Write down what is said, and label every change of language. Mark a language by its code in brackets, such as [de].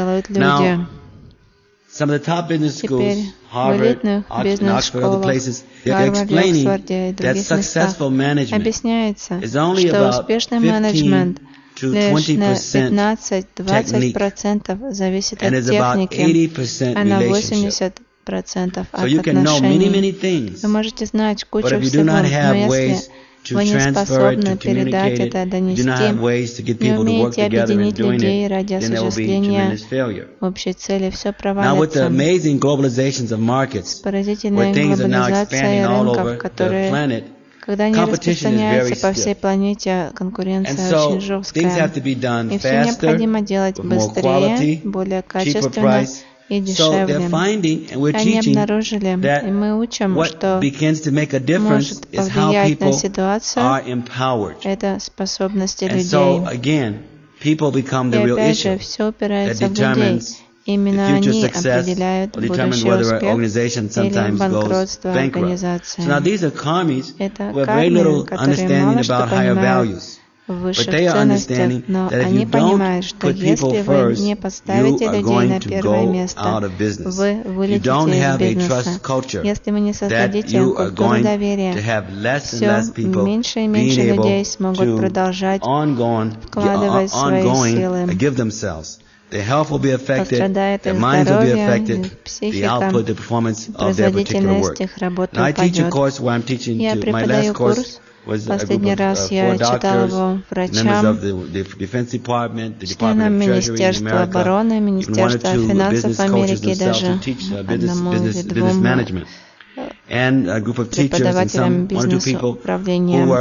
[en] Now, some of the top business schools, Harvard, Oxford, other places, they're explaining that successful management is only about 15% to 20% technique, and is about 80% relationship. So you can know many, many things, but if you do not have ways [ru] Вони способны передать это, донести. Не умеете объединить людей ради осуществления общей цели. Все провалится. С поразительной глобализацией рынков, которые, когда они распространяются по всей планете, конкуренция очень жесткая. И все необходимо делать быстрее, более качественно. И дешевле. [en] So finding, and we're [ru] они обнаружили, и мы учим, что может повлиять на ситуацию, это способности людей. [en] So again, [ru] и опять же, все упирается в людей. Именно они определяют будущий успех или банкротство организации. [en] So now these are commies, [ru] это кармы, которые мало что понимают. [en] But they are understanding that if you don't put people first, you are going to go out of business. If you don't have a trust culture, that you are going to have less and less people being able to ongoing give themselves. Their health will be affected, their minds will be affected, the output, the performance of their particular work. And I teach a course where I'm teaching to my last course. [ru] Последний раз я читал его врачам, членам Министерства обороны, Министерства финансов Америки, даже одному или двум преподавателям бизнес-управления.